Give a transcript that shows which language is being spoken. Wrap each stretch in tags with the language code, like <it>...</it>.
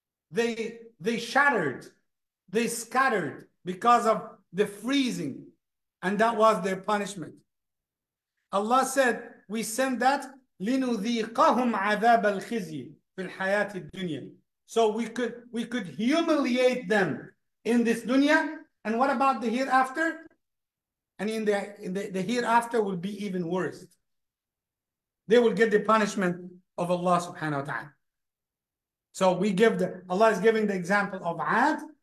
<en>They shattered, they scattered because of the freezing, and that was their punishment. Allah said, we send that</en> <ar>لنذيقهم عذاب الخزي في الحياة الدنيا.</ar> <en>So we could humiliate them in this dunya. And what about the hereafter? And in the hereafter will be even worse. They will get the punishment of Allah subhanahu wa ta'ala. So we give the, Allah is giving the example of Ad.</en>